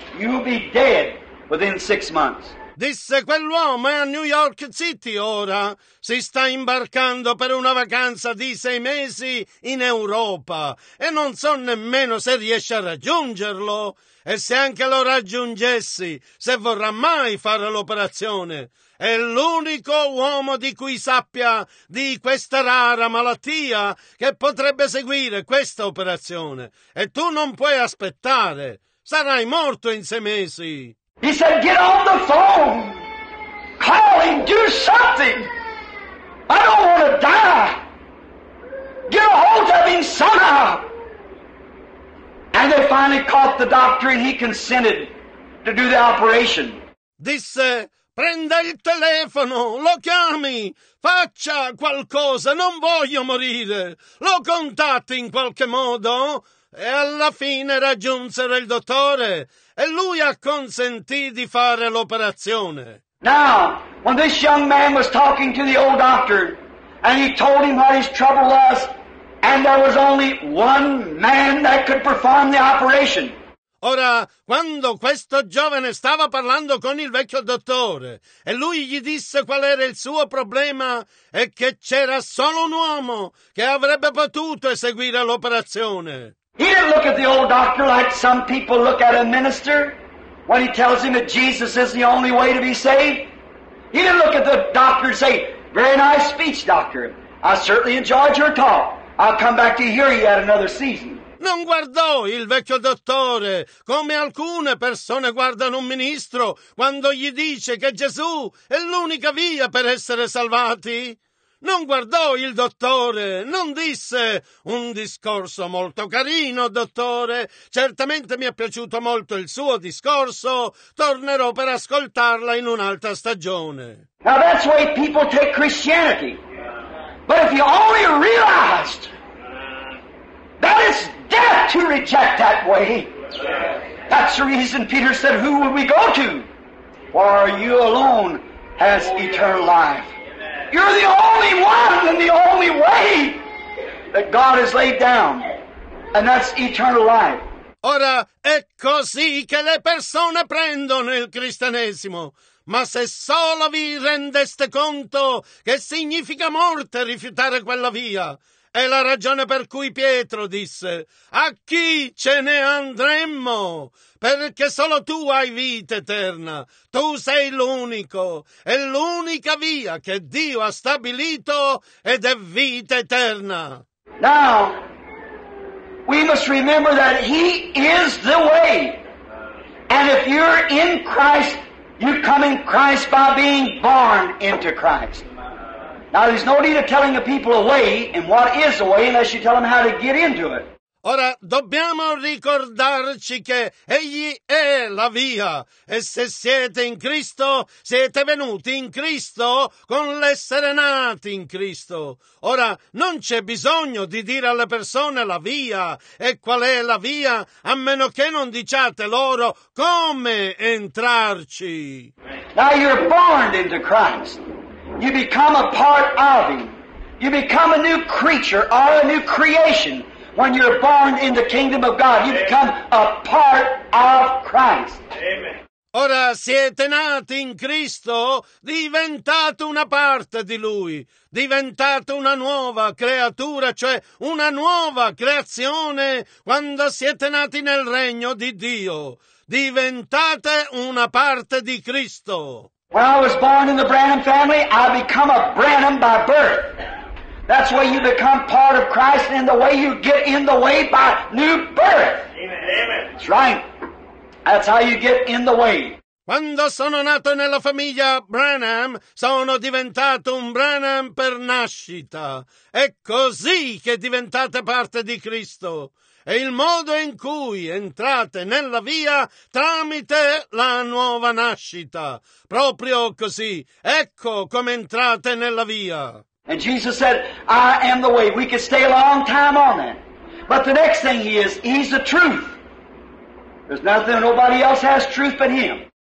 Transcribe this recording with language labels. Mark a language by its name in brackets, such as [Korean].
[English] You'll be dead within 6 months. [Italian] Disse, quell'uomo è a New York City ora. Si sta imbarcando per una vacanza di 6 mesi in Europa e non so nemmeno se riesce a raggiungerlo. E se anche lo raggiungessi, se vorrà mai fare l'operazione. È l'unico uomo di cui sappia di questa rara malattia che potrebbe seguire questa operazione. E tu non puoi aspettare. Sarai morto in 6 mesi. [English] He said, get on the phone. Call him, do something. I don't want to die. Get a hold of him somehow. And they finally caught the doctor and he consented to do the operation. [Italian] Disse, prenda il telefono, lo chiami, faccia qualcosa, non voglio morire. Lo contatti in qualche modo. E alla fine raggiunsero il dottore e lui acconsentì di fare l'operazione. [English] Now, when this young man was talking to the old doctor and he told him what his trouble was, and there was only one man that could perform the operation. [Italian] Ora, quando questo giovane stava parlando con il vecchio dottore e lui gli disse qual era il suo problema e che c'era solo un uomo che avrebbe potuto eseguire l'operazione. [English] He didn't look at the old doctor like some people look at a minister when he tells him that Jesus is the only way to be saved. He didn't look at the doctor and say, very nice speech, doctor. I certainly enjoyed your talk. I'll come back to hear you at another season. [Italian] Non guardò il vecchio dottore come alcune persone guardano un ministro quando gli dice che Gesù è l'unica via per essere salvati. Non guardò il dottore, non disse un discorso molto carino, dottore. Certamente mi è piaciuto molto il suo discorso. Tornerò per ascoltarla in un'altra stagione. [English] Now that's why people take Christianity. But if you only realized that it's death to reject that way, that's the reason Peter said, who will we go to? For you alone has eternal life. You're the only one and the only way that God has laid down, and that's eternal life. [Italian] Ora, è così che le persone prendono il cristianesimo. Ma se solo vi rendeste conto che significa morte rifiutare quella via. È la ragione per cui Pietro disse: a chi ce ne andremmo? Perché solo tu hai vita eterna. Tu sei l'unico. È l'unica via che Dio ha stabilito ed è vita eterna. [English] Now, we must remember that He is the way. And if you're in Christ, you come in Christ by being born into Christ. Now, there's no need of telling the people a way and what is the way unless you tell them how to get into it. [Italian] Ora, dobbiamo ricordarci che Egli è la via e se siete in Cristo, siete venuti in Cristo con l'essere nati in Cristo. Ora, non c'è bisogno di dire alle persone la via e qual è la via, a meno che non diciate loro come entrarci. [English] Now you're born into Christ. You become a part of Him. You become a new creature or a new creation. When you're born in the kingdom of God, you become a part of Christ. Amen. [Italian] Ora siete nati in Cristo, diventate una parte di Lui, diventate una nuova creatura, cioè una nuova creazione quando siete nati nel regno di Dio. Diventate una parte di Cristo. [English] When I was born in the Branham family, I become a Branham by birth. That's the way you become part of Christ, and the way you get in the way by new birth. Amen. That's right. That's how you get in the way. [Italian] Quando sono nato nella famiglia Branham, sono diventato un Branham per nascita. È così che diventate parte di Cristo. È il modo in cui entrate nella via tramite la nuova nascita. Proprio così. Ecco come entrate nella via. [English] And Jesus said, I am the way. We could stay a long time on that. But the next thing He is, He's the truth. There's nothing, nobody else has truth but Him.